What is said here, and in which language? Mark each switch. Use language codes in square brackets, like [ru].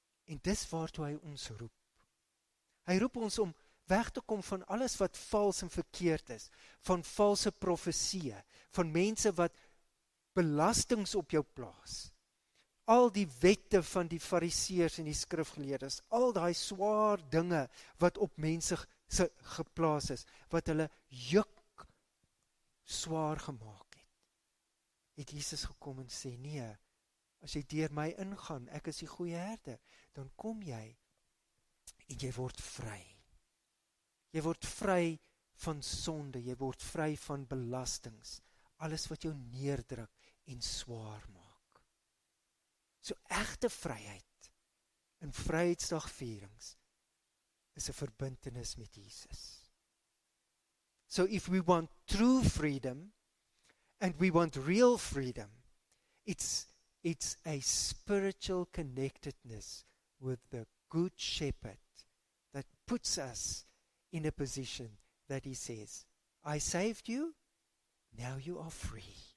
[af] En dis waartoe hy ons roep. Hy roep ons om weg te kom van alles wat vals en verkeerd is, van valse profesieë, van mense wat belastings op jou plaas. Al die wette van die fariseërs en die skrifgeleerdes, al die swaar dinge wat op mense geplaas is, wat hulle juk swaar gemaak het, het Jesus gekom en sê, nee, as jy deur my ingaan, ek is die goeie herder, dan kom jy en jy word vry. Jy word vry van sonde, jy word vry van belastings, alles wat jou neerdruk en swaar maak. So egte vryheid in vryheidsdagvierings is 'n verbintenis met Jesus. [en] So if we want true freedom and we want real freedom, it's a spiritual connectedness with the good shepherd that puts us in a position that he says, I saved you, now you are free.